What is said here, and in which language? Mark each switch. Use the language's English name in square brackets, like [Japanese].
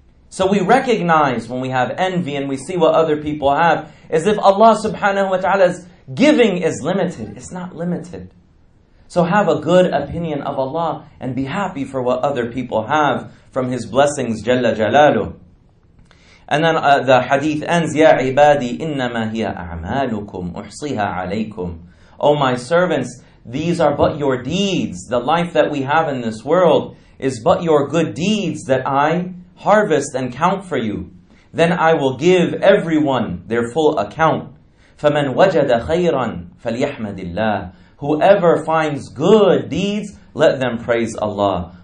[English] So we recognize when we have envy and we see what other people have, as if Allah subhanahu wa ta'ala's giving is limited. It's not limited. So have a good opinion of Allah and be happy for what other people have from His blessings, Jalla Jalalu. And then the hadith ends, [Arabic] يَا عِبَادِي إِنَّمَا هِيَ أَعْمَالُكُمْ أُحْصِيهَا عَلَيْكُمْ. [English] O my servants, these are but your deeds. The life that we have in this world is but your good deeds that I harvest and count for you. Then I will give everyone their full account. [Arabic] فَمَنْ وَجَدَ خَيْرًا فَلْيَحْمَدِ اللَّهِ. [English] Whoever finds good deeds, let them praise Allah.